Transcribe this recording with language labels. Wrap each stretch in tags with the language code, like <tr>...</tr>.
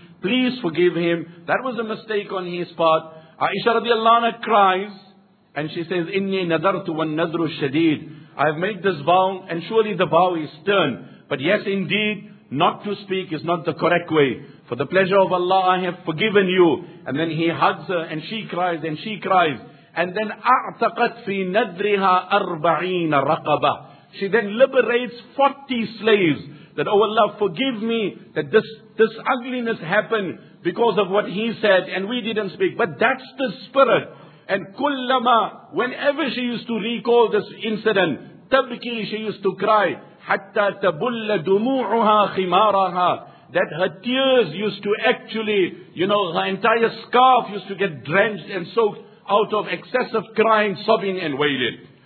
<en>Please forgive him. That was a mistake on his part. Aisha radiallahu anha cries, and she says,</en> <ar>إِنِّي نَذَرْتُ وَالنَّذْرُ الشَّدِيدُ.</ar> <en>I've made this vow, and surely the vow is stern. But yes, indeed, not to speak is not the correct way. For the pleasure of Allah, I have forgiven you. And then he hugs her, and she cries, and she cries. And then,</en> <ar>أَعْتَقَتْ فِي نَذْرِهَا أَرْبَعِينَ رَقَبَةً.</ar> <en>She then liberates 40 slaves. That, oh Allah, forgive me that this ugliness happened because of what he said, and we didn't speak. But that's the spirit. And</en> <ar>kullama,</ar> <en>whenever she used to recall this incident,</en> <ar>tabki,</ar> <en>she used to cry,</en> <ar>hatta tabulla dumu'uha khimaraha,</ar> <en>that her tears used to actually, you know, her entire scarf used to get drenched and soaked out of excessive crying, sobbing and wailing.</en>